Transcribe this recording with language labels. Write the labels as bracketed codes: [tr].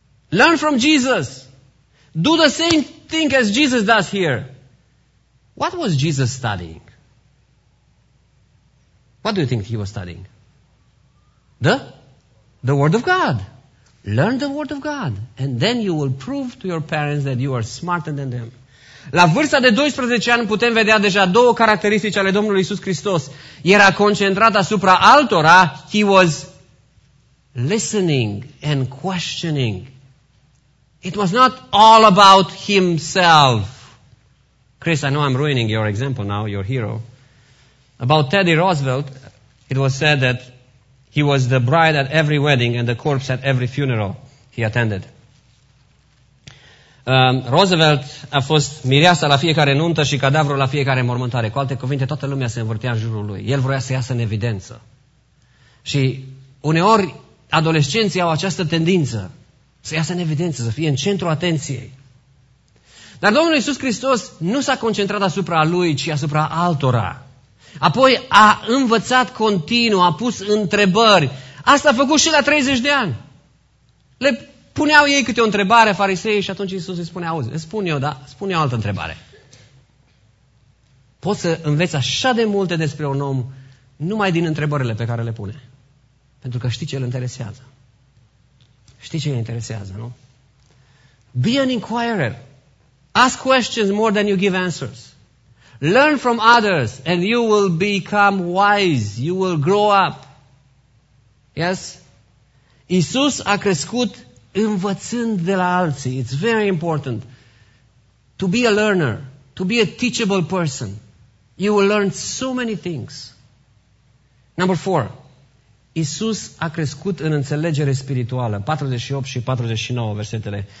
[en] Learn from Jesus. Do the same thing as Jesus does here. What was Jesus studying? What do you think he was studying? The Word of God. Learn the Word of God. And then you will prove to your parents that you are smarter than them. [ro] La vârsta de 12 ani putem vedea deja două caracteristici ale Domnului Iisus Hristos. Era concentrat asupra altora. [en] He was listening and questioning. It was not all about himself. Chris, I know I'm ruining your example now, your hero. About Teddy Roosevelt, it was said that he was the bride at every wedding and the corpse at every funeral he attended. [ro] Roosevelt a fost mireasa la fiecare nuntă și cadavrul la fiecare mormântare. Cu alte cuvinte, toată lumea se învârtea în jurul lui. El vroia să iasă în evidență. Și uneori, adolescenții au această tendință să iasă în evidență, să fie în centrul atenției. Dar Domnul Iisus Hristos nu s-a concentrat asupra lui, ci asupra altora. Apoi a învățat continuu, a pus întrebări. Asta a făcut și la 30 de ani. Le puneau ei câte o întrebare, farisei, și atunci Iisus îi spune, auzi, spun eu, da, spun eu altă întrebare. Poți să înveți așa de multe despre un om numai din întrebările pe care le pune. Pentru că știi ce îl interesează. Știi ce îi interesează, nu? [en] Be an inquirer. Ask questions more than you give answers. Learn from others and you will become wise. You will grow up. Yes? [ro] Iisus a crescut învățând de la alții. [en] It's very important to be a learner, to be a teachable person. You will learn so many things. Number four. [ro] Iisus a crescut în înțelegere spirituală. 48 și 49 versetele.